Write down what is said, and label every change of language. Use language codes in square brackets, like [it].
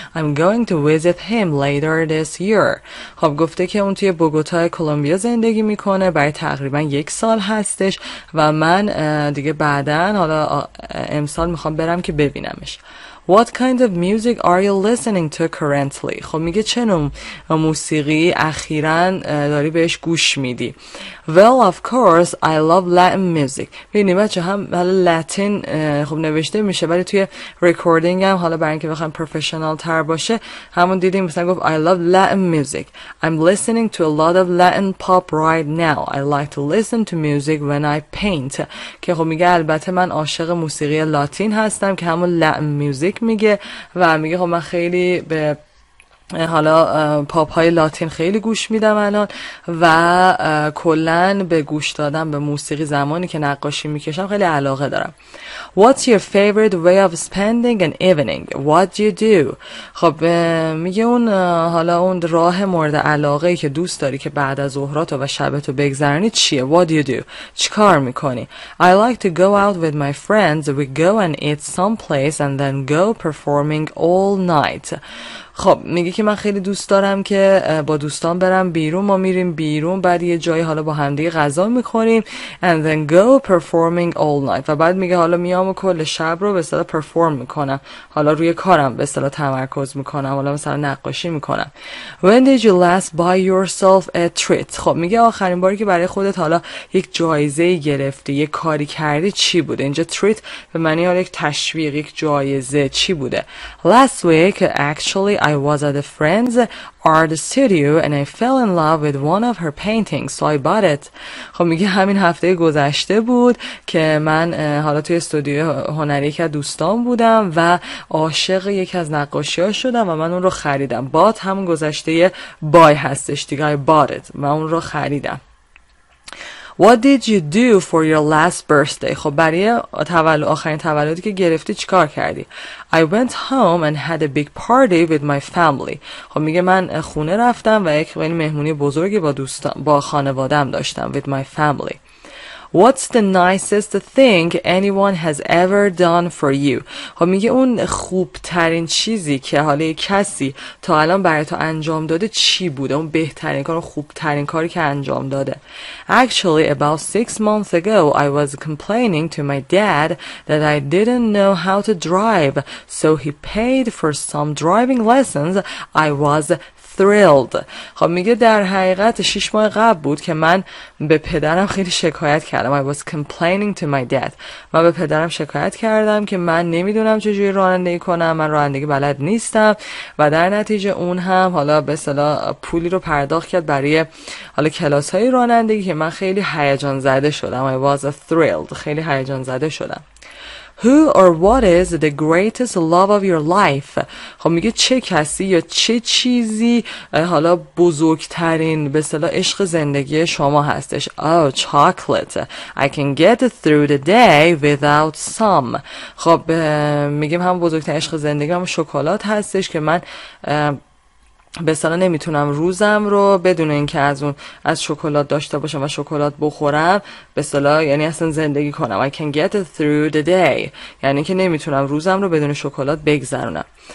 [en] I'm going to visit him later this year. [fa] خب گفته که اون توی بوگوتا کولومبیا زندگی میکنه برای تقریبا 1 سال هستش و من دیگه بعدن حالا امسال میخوام برم که ببینمش. [en] What kind of music are you listening to currently? [fa] خب میگه چه نوع موسیقی اخیراً داری بهش گوش میدی؟ [en] Well, of course, I love Latin music. [fa] ببینید بچه هم حالا لاتین خب نوشته میشه ولی توی ریکوردینگ هم حالا برای اینکه بخوام پروفشنال تر باشه همون دیدیم مثلا گفت [en] I love Latin music. I'm listening to a lot of Latin pop right now. I like to listen to music when I paint. [fa] که خب میگه البته من عاشق موسیقی لاتین هستم که همون Latin music میگه و میگه خب من خیلی به حالا پاپ های لاتین خیلی گوش میدم الان و کلن به گوش دادم به موسیقی زمانی که نقاشی میکشم خیلی علاقه دارم. [en] What's your favorite way of spending an evening? What do you do? [fa] خب میگه اون حالا اون راه مورد علاقه ای که دوست داری که بعد از ظهراتو و شبتو بگذرنی چیه؟ [en] What do you do? [fa] چیکار میکنی؟ [en] I like to go out with my friends. We go and eat someplace and then go performing all night. [fa] خب میگه که من خیلی دوست دارم که با دوستان برم بیرون، ما میریم بیرون بعد یه جایی حالا با همدیگه غذا میخوریم [en] and then go performing all night [fa] و بعد میگه حالا میام و کل شب رو به اصطلاح پرفورم میکنم، حالا روی کارم به اصطلاح تمرکز میکنم، حالا مثلا نقاشی میکنم. [en] When did you last buy yourself a treat؟ [fa] خب میگه آخرین باری که برای خودت حالا یک جایزه گرفتی، یک کاری کردی چی بوده؟ [en] اینجا treat به معنی حالا یک تشویق، یک جایزه چی بوده؟ Last week actually I was at a friend's art studio and I fell in love with one of her paintings, so I bought it. [fa] خب میگه همین هفته گذشته بود که من حالا توی استودیو هنری یکی از دوستان بودم و عاشق یکی از نقاشی‌هاش شدم و من اون رو خریدم. Bought همون گذشته buy هستش دیگه، [en] I bought it، [fa] من اون رو خریدم. [en] What did you do for your last birthday? [fa] خب برای تولد آخرین تولدی که گرفتی چیکار کردی؟ [en] I went home and had a big party with my family. [fa] خب میگه من خونه رفتم و یک مهمونی بزرگی با دوستان با خانواده‌ام داشتم [en] with my family. What's the nicest thing anyone has ever done for you? [fa] خب میگه اون خوبترین چیزی که حالا کسی تا الان برای تو انجام داده چی بوده؟ اون بهترین کار و خوبترین کاری که انجام داده. [en] Actually, about 6 months ago, I was complaining to my dad that I didn't know how to drive. So he paid for some driving lessons. I was thrilled. [fa] خب میگه در حقیقت 6 ماه قبل بود که من به پدرم خیلی شکایت کردم. [en] I was complaining to my dad. [fa] من به پدرم شکایت کردم که من نمیدونم چجوری رانندگی کنم. من رانندگی بلد نیستم و در نتیجه اون هم حالا به اصطلاح پولی رو پرداخت کرد برای حالا کلاس‌های رانندگی که من خیلی هیجان زده شدم. [en] I was thrilled. [fa] خیلی هیجان زده شدم. [en] Who or what is the greatest love of your life? [fa] خب میگه چه کسی یا چه چیزی حالا بزرگترین به اصطلاح عشق زندگی شما هستش. [en] Oh, chocolate. I can get through the day without some. [fa] خب میگیم هم بزرگترین عشق زندگی هم شکلات هستش که من به اصطلاح نمیتونم روزم رو بدون اینکه از اون از شکلات داشته باشم و شکلات بخورم به اصطلاح یعنی اصلا زندگی کنم. [en] I can get through the day. [fa] یعنی که نمیتونم روزم رو بدون شکلات بگذرونم.